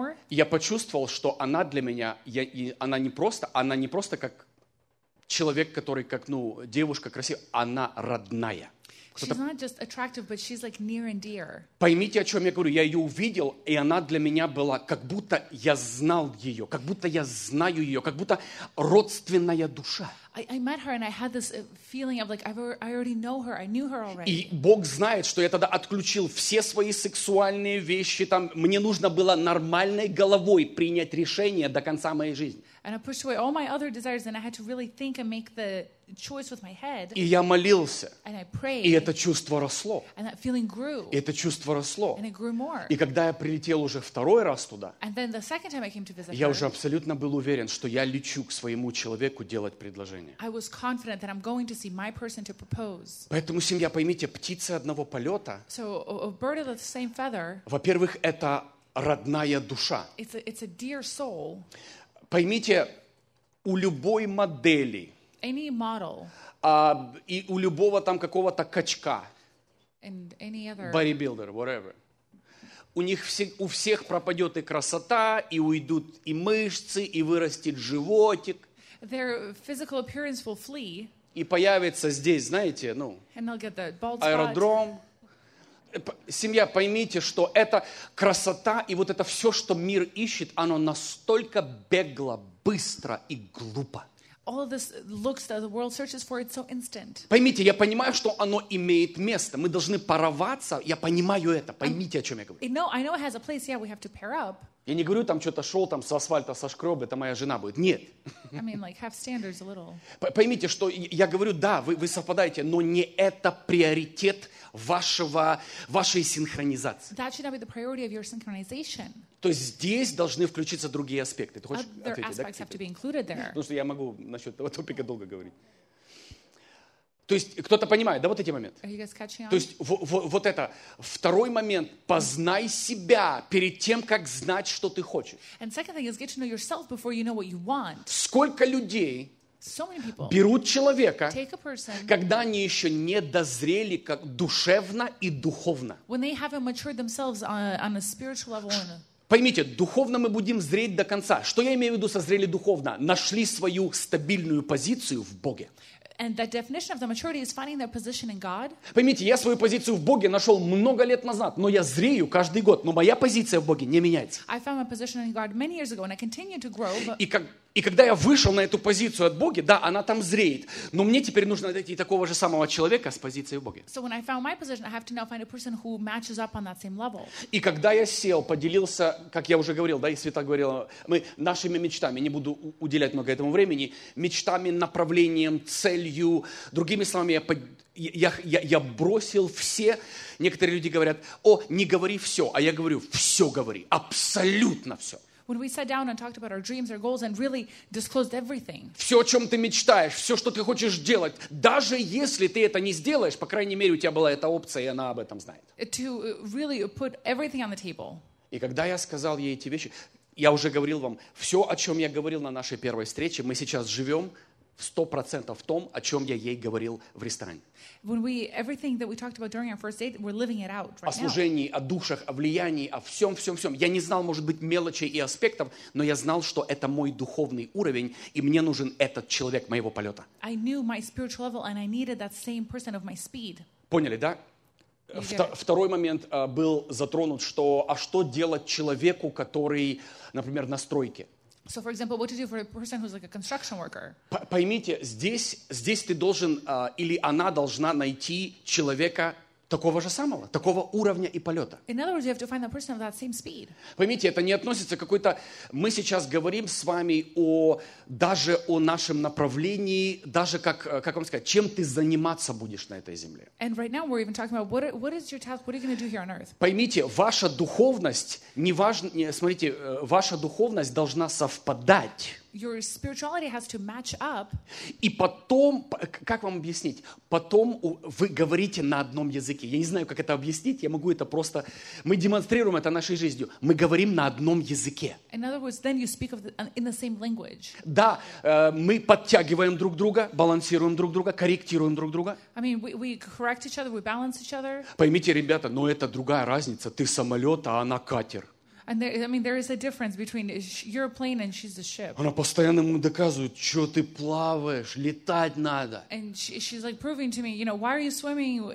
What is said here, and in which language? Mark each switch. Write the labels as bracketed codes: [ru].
[ru] Я почувствовал, что она для меня, она не просто как человек, который как, ну, девушка красивая, она родная. [en] She's not just attractive, but she's like near and dear. [ru] Поймите, о чем я говорю. Я ее увидел, и она для меня была, как будто я знал ее, как будто я знаю ее, как будто родственная душа. [en] I met her, and I had this feeling of like I already know her. I knew her already. [ru] И Бог знает, что я тогда отключил все свои сексуальные вещи. Там мне нужно было нормальной головой принять решение до конца моей жизни. [en] And I pushed away all my other desires, and I had to really think and make the choice with my head. [ru] И я молился. [en] And I prayed. [ru] И это чувство росло. [en] And that feeling grew. [ru] И это чувство росло. [en] And it grew more. [ru] И когда я прилетел уже второй раз туда, [en] and then the second time I came to visit her, [ru] я уже абсолютно был уверен, что я лечу к своему человеку делать предложение. [en] I was confident that I'm going to see my person to propose. [ru] Поэтому, семья, поймите, птицы одного полета. [en] So a bird of the same feather. [ru] Во-первых, это родная душа. [en] It's a dear soul. [ru] Поймите, у любой модели, [en] any model, [ru] и у любого там какого-то качка, [en] and any other bodybuilder, whatever, [ru] у них все, у всех пропадет и красота, и уйдут и мышцы, и вырастет животик. [en] Their physical appearance will flee, [ru] и появится здесь, знаете, ну, [en] and they'll get the bald spot. [ru] Аэродром. Семья, поймите, что эта красота и вот это все, что мир ищет, оно настолько бегло, быстро и глупо. [en] All of this looks that the world searches for, it's so instant. [ru] Поймите, я понимаю, что оно имеет место. Мы должны пароваться. Я понимаю это. Поймите, о чем я говорю. [en] No, I know it has a place. Yeah, we have to pair up. [ru] Я не говорю, там что-то шел там с асфальта, со шкроб, это моя жена будет. Нет. [en] I mean, like, have standards a little. [ru] Поймите, что я говорю, да, вы совпадаете, но не это приоритет вашей синхронизации. [en] That should not be the priority of your synchronization. [ru] То есть здесь должны включиться другие аспекты. Ты хочешь [en] other [ru] ответить, [en] aspects, [ru] да? [en] Have to be included there. [ru] Потому что я могу насчет этого топика долго говорить. То есть кто-то понимает, да, вот эти моменты? [en] Are you guys catching on? [ru] То есть вот это, второй момент, познай себя перед тем, как знать, что ты хочешь. [en] And second thing is get to know yourself before you know what you want. [ru] Сколько людей [en] so many people [ru] берут человека, [en] take a person, [ru] когда они еще не дозрели как душевно и духовно. [en] When they haven't matured themselves on a spiritual level. [ru] Поймите, духовно мы будем зреть до конца. Что я имею в виду созрели духовно? Нашли свою стабильную позицию в Боге. [en] And the definition of the maturity is finding their position in God. [ru] Поймите, я свою позицию в Боге нашел много лет назад, но я зрею каждый год, но моя позиция в Боге не меняется. [en] I found my position in God many years ago, and I continue to grow. But... [ru] И когда я вышел на эту позицию от Бога, да, она там зреет, но мне теперь нужно найти такого же самого человека с позицией в Боге. [en] So when I found my position, I have to now find a person who matches up on that same level. [ru] И когда я сел, поделился, как я уже говорил, да, и Света говорила, мы нашими мечтами, не буду уделять много этому времени, мечтами, направлением, целью, другими словами, я бросил все. Некоторые люди говорят: о, не говори все, а я говорю: все говори, абсолютно все. [en] When we sat down and talked about our dreams, our goals, and really disclosed everything. [ru] Все, о чем ты мечтаешь, все, что ты хочешь делать, даже если ты это не сделаешь, по крайней мере, у тебя была эта опция, и она об этом знает. [en] To really put everything on the table. [ru] И когда я сказал ей эти вещи, я уже говорил вам, все, о чем я говорил на нашей первой встрече, мы сейчас живем 100% в том, о чем я ей говорил в ресторане. [en] When we, everything that we talked about during our first date, we're living it out right now. [ru] О служении, о душах, о влиянии, о всем, всем, всем. Я не знал, может быть, мелочей и аспектов, но я знал, что это мой духовный уровень, и мне нужен этот человек моего полета. [en] I knew my spiritual level, and I needed that same person of my speed. [ru] Поняли, да? Второй момент был затронут, что, а что делать человеку, который, например, на стройке? [en] So, for example, what to do for a person who's like a construction worker? [ru] Поймите, здесь ты должен или она должна найти человека такого же самого, такого уровня и полета. [en] In other words, you have to find that person of that same speed. [ru] Поймите, это не относится к какой-то. Мы сейчас говорим с вами о даже о нашем направлении, даже как вам сказать, чем ты заниматься будешь на этой земле. [en] And right now we're even talking about what is your task, what are you going to do here on earth? [ru] Поймите, ваша духовность смотрите, ваша духовность должна совпадать. [en] Your spirituality has to match up. [ru] И потом, как вам объяснить? Потом вы говорите на одном языке. Я не знаю, как это объяснить. Я могу это просто. Мы демонстрируем это нашей жизнью. Мы говорим на одном языке. [en] In other words, then you speak in the same language. [ru] Да, мы подтягиваем друг друга, балансируем друг друга, корректируем друг друга. [en] I mean, we correct each other, we balance each other. [ru] Поймите, ребята, но это другая разница. Ты самолет, а она катер. [en] And there is a difference between your plane and she's the ship. [ru] Она постоянно ему доказывает, что ты плаваешь, летать надо. [en] And she's like proving to me, you know, why are you swimming?